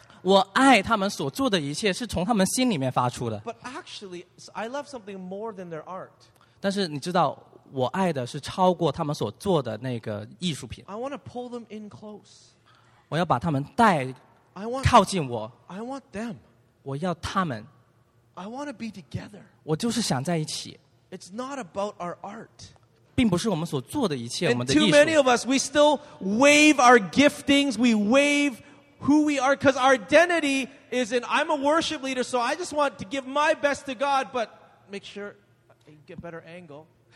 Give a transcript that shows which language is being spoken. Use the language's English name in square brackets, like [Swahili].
[Chinese] 我爱他们所做的一切是从他们心里面发出的。 [English] But actually, I love something more than their art. [Chinese] 但是你知道，我爱的是超过他们所做的那个艺术品。 [English] I want to pull them in close. [Chinese] 我要把他们靠近我。 [English] I want them. [Chinese] 我要他们。 [English] I want to be together. [Chinese] 我就是想在一起。 [English] It's not about our art. [Chinese] 并不是我们所做的一切，我们的艺术。 [English] And too many of us, we still wave our giftings, we wave who we are, because our identity is in, I'm a worship leader, so I just want to give my best to God, but make sure you get better angle.